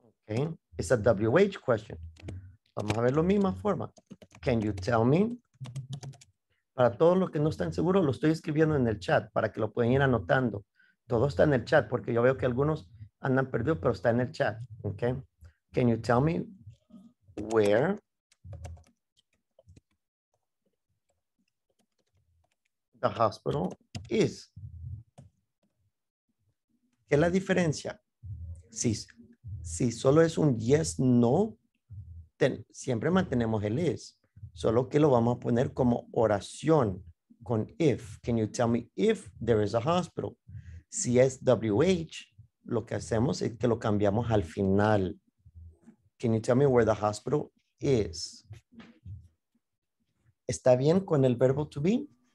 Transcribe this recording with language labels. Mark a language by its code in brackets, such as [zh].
[en] Okay. It's a WH question. [es] Vamos a ver lo misma forma. [en] Can you tell me? [es] Para todos los que no están seguros, lo estoy escribiendo en el chat para que lo puedan ir anotando. Todo está en el chat porque yo veo que algunos andan perdidos, pero está en el chat. [en] Okay. Can you tell me where the hospital is? [es] ¿Qué es la diferencia? Si solo es un yes, no, siempre mantenemos el is. Solo que lo vamos a poner como oración con if. [en] Can you tell me if there is a hospital? [es] Si es WH, lo que hacemos es que lo cambiamos al final. [en] Can you tell me where the hospital is? [es] ¿Está bien con el verbo to be?